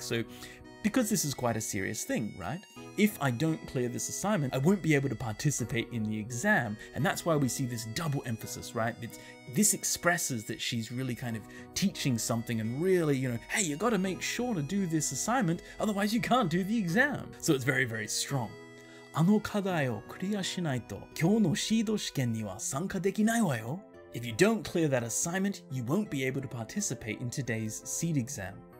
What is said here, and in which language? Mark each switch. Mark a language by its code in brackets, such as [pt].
[en] So because this is quite a serious thing, right? If I don't clear this assignment, I won't be able to participate in the exam, and that's why we see this double emphasis, right? This expresses that she's really kind of teaching something and really, you know, hey, you gotta make sure to do this assignment, otherwise you can't do the exam. So it's very, very strong. [ja] あの課題をクリアしないと今日のシード試験には参加できないわよ。 [en] If you don't clear that assignment, you won't be able to participate in today's seed exam.